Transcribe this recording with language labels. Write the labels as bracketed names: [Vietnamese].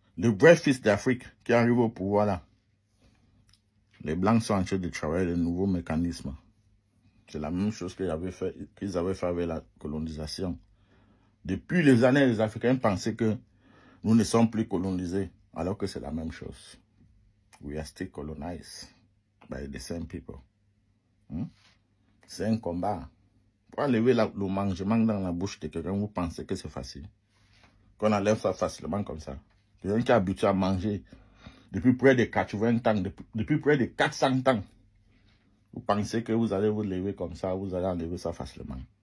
[French] Le vrai fils d'Afrique qui arrive au pouvoir là. Les Blancs sont en train de travailler le nouveau mécanisme. C'est la même chose qu'ils avaient fait avec la colonisation. Depuis les années, les Africains pensaient que nous ne sommes plus colonisés, alors que c'est la même chose. [English] We are still colonized by the same people. [French] C'est un combat. Pour enlever le mangement dans la bouche de quelqu'un, vous pensez que c'est facile. Qu'on enlève ça facilement comme ça. Quelqu'un qui est habitué à manger depuis près de 80 ans, depuis près de 400 ans. Vous pensez que vous allez vous lever comme ça, vous allez enlever ça facilement.